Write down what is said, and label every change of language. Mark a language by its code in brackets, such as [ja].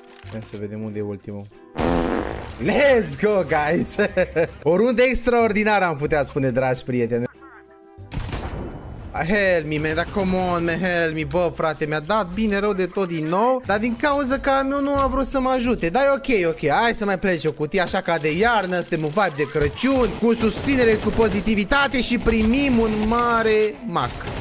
[ro] Hai să vedem unde e ultimul. [en] Let's go, guys! [ro] O rundă extraordinară, am putea spune, dragi prieteni. [en] Help me, man, da, come on, man, help me. [ro] Bă, frate, mi-a dat bine rău de tot din nou. Dar din cauza că am eu nu a vrut să mă ajute. Dar ok, ok, hai să mai plece o cutie. Așa ca de iarnă, suntem un vibe de Crăciun, cu susținere, cu pozitivitate. Și primim un mare mac.